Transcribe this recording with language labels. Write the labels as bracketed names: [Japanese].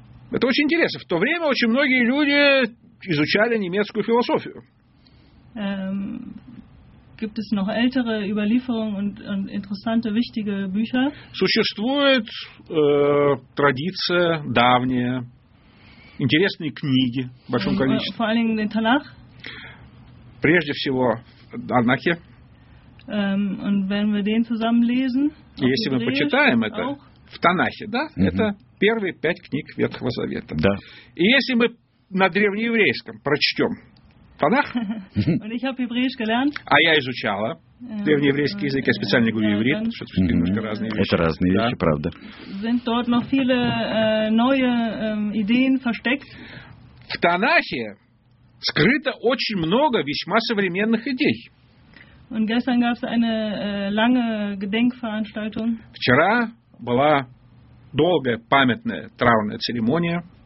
[Russian] Это очень интересно. В то время очень многие люди изучали немецкую философию. [German] Gibt es noch ältere Überlieferungen und interessante, wichtige Bücher? [Russian] Существует традиция давняя, интересные книги в большом количестве. [German] Vor allen Dingen den Tanach? [Russian] Прежде всего, Танахе. [German] Und wenn wir den zusammen lesen, [Russian] если мы почитаем это, в Танахе, да? Это первые пять книг Ветхого Завета. Да. И если мы на древнееврейском прочтем, Танах. [German] Und ich habe Hebräisch gelernt. [Russian] А я изучала древнееврейский язык, я специально говорю иврит, что-то немножко разные вещи. Это разные вещи, да. Правда. [German] Sind dort noch viele neue Ideen versteckt? [Russian] В Танахе скрыто очень много весьма современных идей. [German] Und gestern gab's eine lange Gedenkveranstaltung. [Russian] Вчера была долгая памятная траурная церемония.